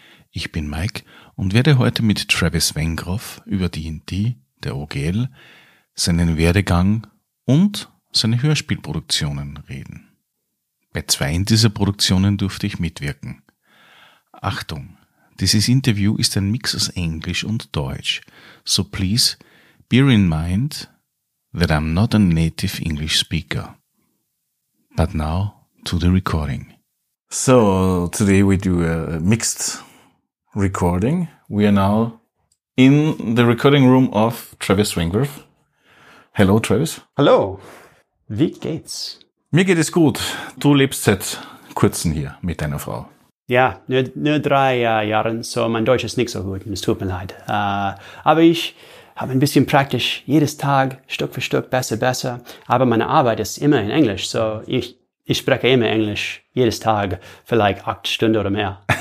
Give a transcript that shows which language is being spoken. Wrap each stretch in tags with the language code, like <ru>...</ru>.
<de>Ich bin Mike und werde heute mit Travis Wengroff über D&D, der OGL, seinen Werdegang und seine Hörspielproduktionen reden. Bei zwei dieser Produktionen durfte ich mitwirken. Achtung, dieses Interview ist ein Mix aus Englisch und Deutsch,</de> <en>so please bear in mind that I'm not a native English speaker. But now to the recording. So today we do a mixed recording. We are now in the recording room of Travis Wengroff. Hello, Travis. Hello.</en> <de>Wie geht's? Mir geht es gut. Du lebst seit kurzem hier mit deiner Frau. Ja, nur 3 Jahre, so mein Deutsch ist nicht so gut, es tut mir leid. Aber ich habe ein bisschen praktisch jedes Tag, Stück für Stück, besser. Aber meine Arbeit ist immer in Englisch, so ich spreche immer Englisch, jedes Tag, vielleicht 8 Stunden oder mehr.</de>